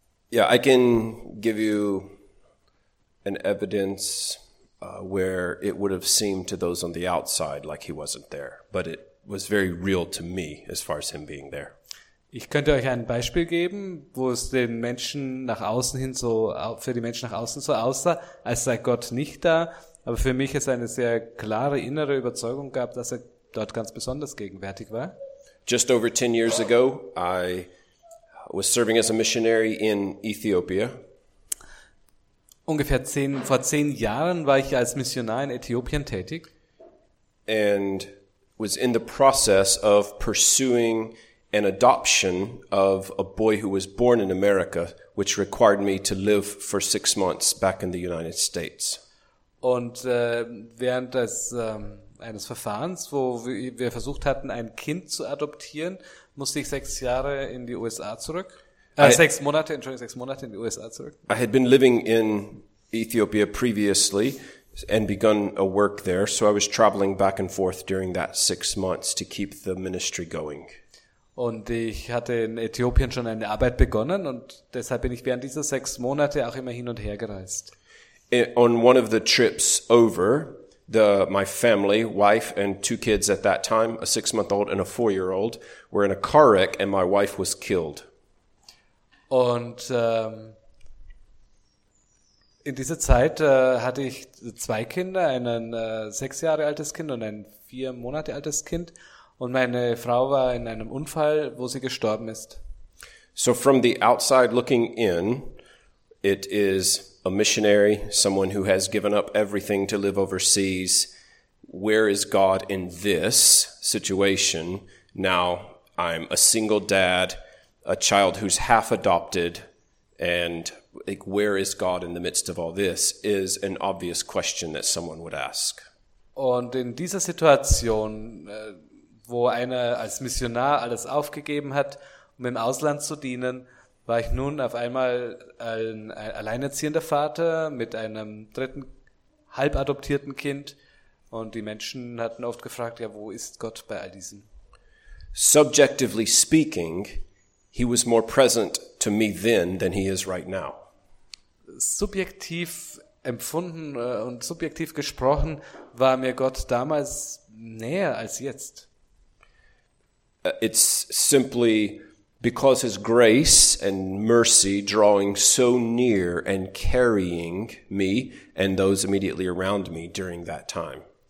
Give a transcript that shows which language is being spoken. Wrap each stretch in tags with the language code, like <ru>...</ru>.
<en>Yeah, I can give you an evidence where it would have seemed to those on the outside like he wasn't there, but it was very real to me as far as him being there.</en> <de>Ich könnte euch ein Beispiel geben, wo es den Menschen nach außen hin so, für die Menschen nach außen so aussah, als sei Gott nicht da, aber für mich es eine sehr klare innere Überzeugung gab, dass er dort ganz besonders gegenwärtig war.</de> <en>Just over 10 years ago, I was serving as a missionary in Ethiopia.</en> <de>Ungefähr vor zehn Jahren war ich als Missionar in Äthiopien tätig.</de> <en>And was in the process of pursuing an adoption of a boy who was born in America, which required me to live for 6 months back in the United States.</en> <de>Und während eines Verfahrens, wo wir versucht hatten, ein Kind zu adoptieren, musste ich 6 Jahre in die USA zurück. Sechs Monate in die USA zurück.</de> <en>I had been living in Ethiopia previously and begun a work there, so I was traveling back and forth during that 6 months to keep the ministry going.</en> <de>Und ich hatte in Äthiopien schon eine Arbeit begonnen und deshalb bin ich während dieser 6 Monate auch immer hin und her gereist.</de> <en>On one of the trips over, my family, wife and 2 kids at that time, a 6-month-old and a 4-year-old, were in a car wreck and my wife was killed.</en> <de>Und in dieser Zeit hatte ich 2 Kinder, einen 6 Jahre altes Kind und ein 4 Monate altes Kind. Und meine Frau war in einem Unfall, wo sie gestorben ist.</de> <en>So from the outside looking in, it is a missionary, someone who has given up everything to live overseas. Where is God in this situation? Now I'm a single dad, a child who's half adopted, and like, where is God in the midst of all this is an obvious question that someone would ask.</en> <de>Und in dieser Situation, wo einer als Missionar alles aufgegeben hat, um im Ausland zu dienen, war ich nun auf einmal ein alleinerziehender Vater mit einem dritten halbadoptierten Kind. Und die Menschen hatten oft gefragt, ja, wo ist Gott bei all diesem?</de> <en>Subjectively speaking, he was more present to me then than he is right now.</en> <de>Subjektiv empfunden und subjektiv gesprochen, war mir Gott damals näher als jetzt.</de> <en>It's simply because his grace and mercy drawing so near and carrying me and those immediately around me during that time.</en>